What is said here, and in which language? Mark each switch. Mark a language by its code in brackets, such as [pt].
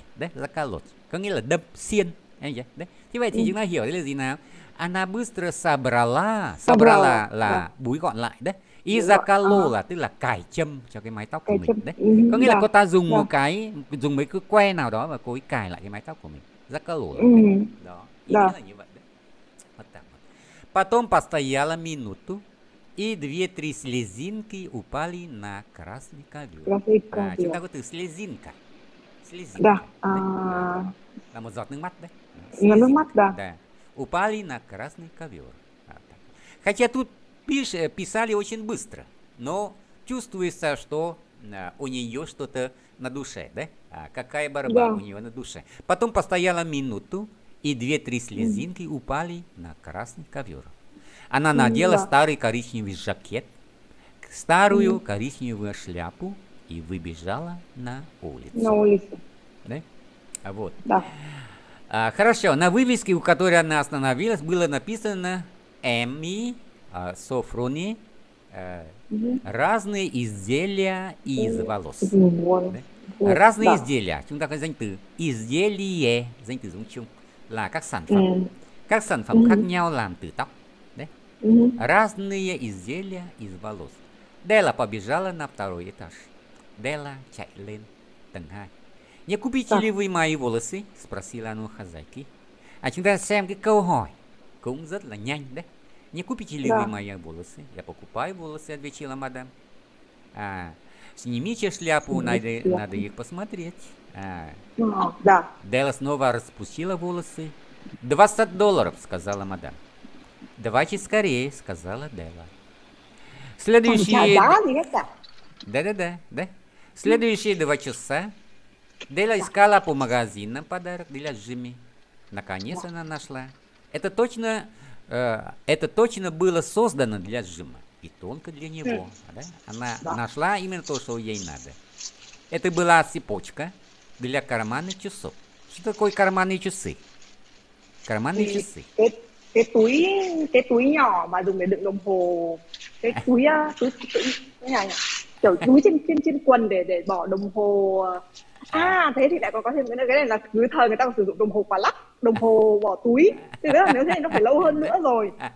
[vi] Đấy, ra calot có nghĩa là đâm xiên em nhỉ? Đấy. Thế vậy thì chúng ta hiểu đây là gì nào? Anabustra sabrala. Sabra Sabra là búi gọn lại đấy. búi gọn Izakalo là tức là cài châm cho cái mái tóc của cái mình chân đấy. Có nghĩa là cô ta dùng một dạ cái dùng mấy cái que nào đó và cô ấy cài lại cái mái tóc của mình. Izakalo là thế. ừ Đó, ý nghĩa dạ là như vậy đấy. [ru] Потом постояла минуту и две три слезинки упали на красный ковер. [vi] À, chúng ta có từ slezinka. [ru] Slezinka [vi] dạ đấy. Đó. Là một giọt nước mắt đấy. ngấn nước [ru] Slezinka. [vi] mắt dạ [ru] Đấy. Упали на красный ковер. Хотя тут писали очень быстро, но чувствуется, что у нее что-то на душе, да? А какая борьба у нее на душе. Потом постояла минуту, и две-три слезинки упали на красный ковер. Она надела старый коричневый жакет, старую коричневую шляпу и выбежала на На улицу. улице. Да? А вот. А, хорошо, на вывеске, у которой она остановилась, было написано Эми Софрони разные изделия из волос. Да? Разные изделия. [vi] Chúng ta có danh từ изделие, danh từ dùng chung là các sản phẩm khác nhau làm từ tóc. [ru] Разные изделия из волос. Дела побежала на второй этаж. [vi] Дела chạy lên tầng 2. [ru] Не купите ли вы мои волосы? Спросила она у хозяйки. [vi] А chúng ta xem cái câu hỏi cũng rất là nhanh đấy. [ru] Не купите ли вы мои волосы? Я покупаю волосы, ответила мадам. А, снимите шляпу, надо их посмотреть. А, Делла снова распустила волосы. $20, сказала мадам. Давайте скорее, сказала Делла. Следующие... Да. Следующие 2 часа Дела искала по магазинам подарок для Джимми. Наконец она нашла. Это точно было создано для Джима и только для него. Да? Она нашла именно то, что ей надо. Это была цепочка для карманных часов. Что такое карманные часы? Карманные часы. [vi] Cái túi nhỏ mà dùng để đựng đồng hồ, cái túi túi túi này kiểu túi trên trên trên quần để bỏ đồng hồ. À thế thì lại còn có thêm cái này, cái này là cứ thời người ta còn sử dụng đồng hồ quả lắc, đồng hồ bỏ túi, thì đó là nếu thế thì nó phải lâu hơn nữa rồi.